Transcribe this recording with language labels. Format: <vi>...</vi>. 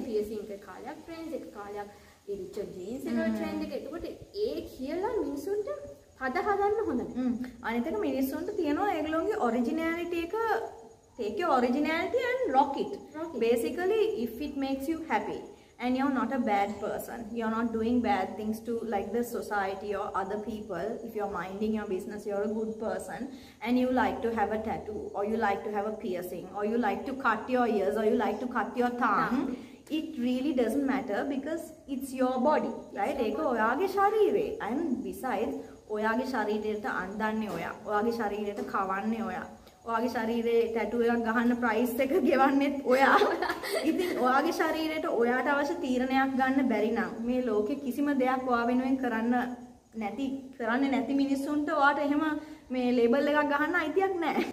<si>පියසින් එක කාලයක් ට්‍රෙන්ඩ්ස්, එක කාලයක් ඉරිච්ච ජීන්ස් එක ට්‍රෙන්ඩ් එක. ඒකට ඒ කියලා මිනිසුන්ට හද හදන්න හොඳයි. අනිතක මිනිස්සුන්ට තියෙනවා ඒගොල්ලෝගේ ඔරිජිනැලිටි එක.</si> <en>Take your originality and rock it. Basically, if it makes you happy and you're not a bad person, you're not doing bad things to like the society or other people, if you're minding your business, you're a good person and you like to have a tattoo or you like to have a piercing or you like to cut your ears or you like to cut your tongue, it really doesn't matter because it's your body, right?</en> <si>ඒක ඔයාගේ ශරීරේ.</si> <en>And besides,</en> <si>ඔයාගේ ශරීරයට අන්දන්නේ ඔයා. ඔයාගේ ශරීරයට කවන්නේ ඔයා. ඔයාගේ ශරීරයේ ටැටූ එකක් ගහන්න ප්‍රයිස් එක ගෙවන්නෙත් ඔයා. ඉතින් ඔයාගේ ශරීරයට ඔයාට අවශ්‍ය තීරණයක් ගන්න බැරි නම් මේ ලෝකේ කිසිම දෙයක් ඔයා වෙනුවෙන් කරන්නේ නැති මිනිස්සුන්ට ඔයාට එහෙම මේ ලේබල් එකක් ගහන්න අයිතියක් නැහැ.</si>